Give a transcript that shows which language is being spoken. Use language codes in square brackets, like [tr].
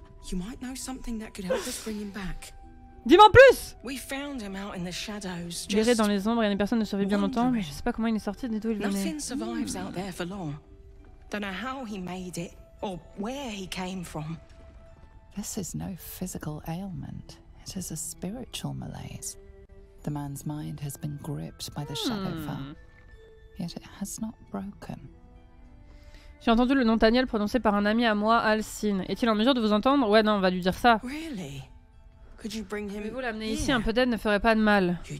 [en] You might know something that could help us bring him back. [fr] Dis-moi en plus! [en] We found him out in the shadows. [fr] Géré dans les ombres, il y a une personne qui ne survit bien longtemps, mais je sais pas comment il est sorti, ni d'où il venait. [en] Nothing survives out there for long. Don't know how he made it or where he came from. This is no physical ailment. It is a spiritual malaise. The man's mind has been gripped by the Shadowfell, yet it has not broken. [fr] J'ai entendu le nom Taniel prononcé par un ami à moi, Alcine. Est-il en mesure de vous entendre? Ouais, non, on va lui dire ça. [en] Really? [fr] Pouvez-vous l'amener ici? Un peu d'aide ne ferait pas de mal.